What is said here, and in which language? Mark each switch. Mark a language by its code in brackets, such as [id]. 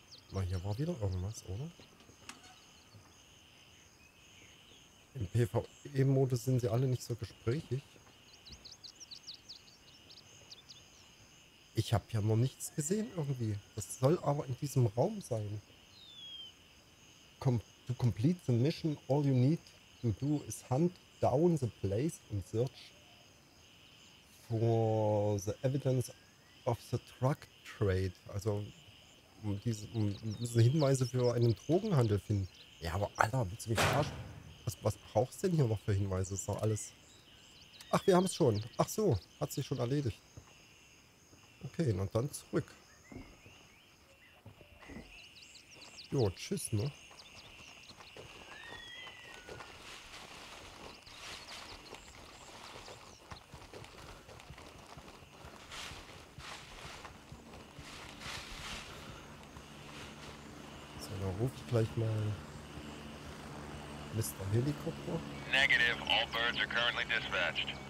[de] Mal, hier war wieder irgendwas, oder? Im PvE-Modus sind sie alle nicht so gesprächig. Ich habe ja noch nichts gesehen irgendwie. Das soll aber in diesem Raum sein. [en] To complete the mission, all you need to do is hunt down the place and search for the evidence of the drug trade. [de] Also um diese Hinweise für einen Drogenhandel finden. Ja, aber Alter, willst du mich verarschen? Was brauchst du denn hier noch für Hinweise? Ist doch alles... Ach, wir haben es schon. Ach so, hat sich schon erledigt. Okay, und dann zurück. Jo, tschüss, ne? So, da ruf ich gleich mal Mr. Helikopter. [en] Negative, all birds are currently dispatched.